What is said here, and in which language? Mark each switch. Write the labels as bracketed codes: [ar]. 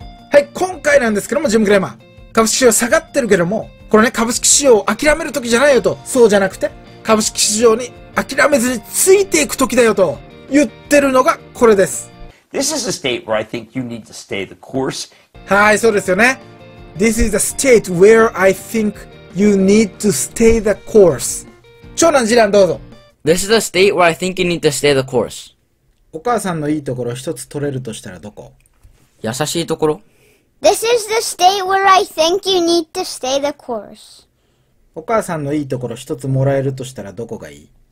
[ja] はい、今回なんですけども、ジムクレーマー。株式市場下がってるけども、このね、株式市場を諦めるときじゃないよと、そうじゃなくて、株式市場に諦めずについていくときだよと、言ってるのがこれです。 [en] This is a state where I think you need to stay the course. [ja] はい、そうですよね。 [en] This is a state where I think you need to stay the course. [ja] 長男、次男、どうぞ。 [en] This is a state where I think you need to stay the course. [ja] お母さんのいいところ一つ取れるとしたらどこ？優しいところ。 [en] This is the state where I think you need to stay the course. [ja] お母さんのいいところ一つもらえるとしたらどこがいい？